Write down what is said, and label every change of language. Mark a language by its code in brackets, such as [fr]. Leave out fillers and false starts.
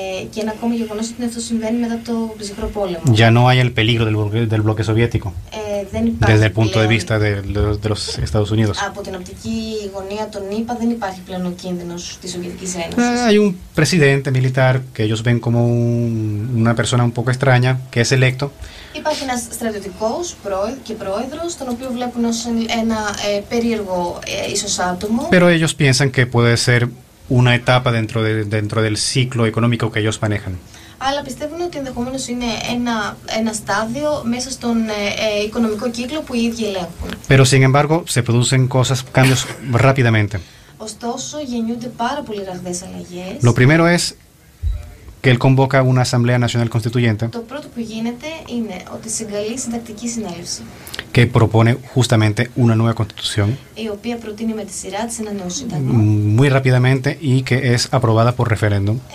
[el] Και ένα ακόμη γεγονός είναι ότι αυτό συμβαίνει μετά το ψυχρό πόλεμο. [es] Ya no hay el peligro del bloque soviético. [el] Δεν υπάρχει. [es] Desde el punto de vista de los Estados Unidos. [el] Από την οπτική γωνία των ΗΠΑ δεν υπάρχει πλέον ο κίνδυνος της Σοβιετικής Ένωσης. [es] Hay un presidente militar que ellos ven como una persona un poco extraña, que es electo. [el] Υπάρχει ένας στρατιωτικός και πρόεδρος, τον οποίο βλέπουν ως ένα περίεργο ίσως άτομο. [es] Pero ellos piensan que puede ser una etapa dentro del ciclo económico que ellos manejan. [el] Αλλά πιστεύουν ότι ενδεχομένως είναι ένα στάδιο μέσα στον οικονομικό κύκλο που οι ίδιοι ελέγχουν. [es] Pero sin embargo, se producen cosas, cambios rápidamente. [el] Ωστόσο, γεννιούνται πάρα πολύ ραγδαίες αλλαγές. [es] Lo primero es que él convoca una asamblea nacional constituyente. [el] Το πρώτο που γίνεται είναι ότι συγκαλεί συντακτική συνέλευση. [es] Que propone justamente una nueva constitución. [el] Η οποία προτείνει με τη σειρά της ένα νέο σύνταγμα. [es] Muy rápidamente y que es aprobada por referéndum.